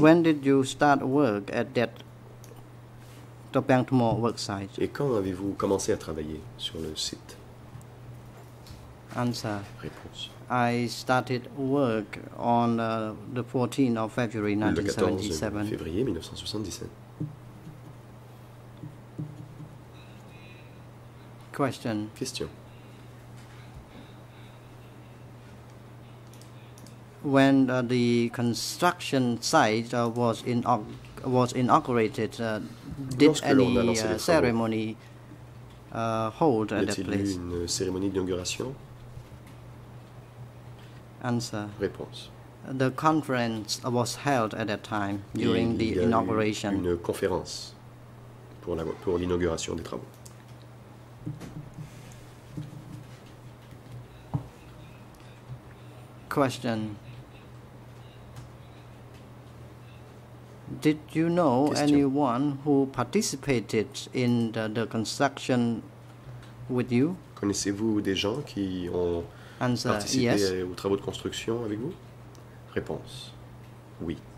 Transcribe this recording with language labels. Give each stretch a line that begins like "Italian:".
English: When did you start work at that Dropeyangtmo work site?
French: Et quand avez-vous commencé à travailler sur le site?
English: Answer.
French: Réponse.
English: I started work on the 14th of February 1977.
French: Le 14 février 1977.
English: Question. When the construction site was inaugurated, did any ceremony hold at that place?
French: Y a-t-il eu une cérémonie d'inauguration?
English: Answer.
French: Réponse.
English: The conference was held at that time during the inauguration.
French: Il y a eu une conférence pour l'inauguration des travaux.
English: Question. Did you know anyone who participated in the construction with you?
French: Connaissez-vous des gens qui ont
English: Answer,
French: participé
English: yes.
French: aux travaux de construction avec vous? Réponse. Oui.